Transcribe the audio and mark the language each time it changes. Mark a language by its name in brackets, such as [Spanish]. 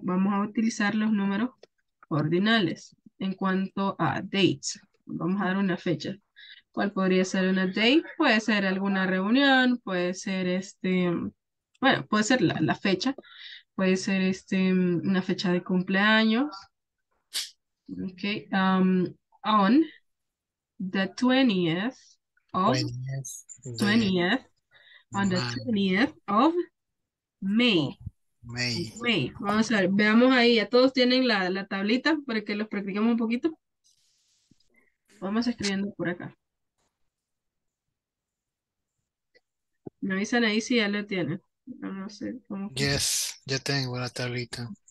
[Spanish] Vamos a utilizar los números ordinales en cuanto a dates. Vamos a dar una fecha. ¿Cuál podría ser una date? Puede ser alguna reunión, puede ser este, bueno, puede ser la fecha, puede ser este, una fecha de cumpleaños. [English] Ok, on the 20th of, 20th, on the 20th of May. May. [Spanish] Vamos a ver, veamos ahí, ya todos tienen la tablita para que los practiquemos un poquito. Vamos escribiendo por acá. Me avisan ahí si ya lo tienen. No sé cómo. Yes, ya tengo la tablita.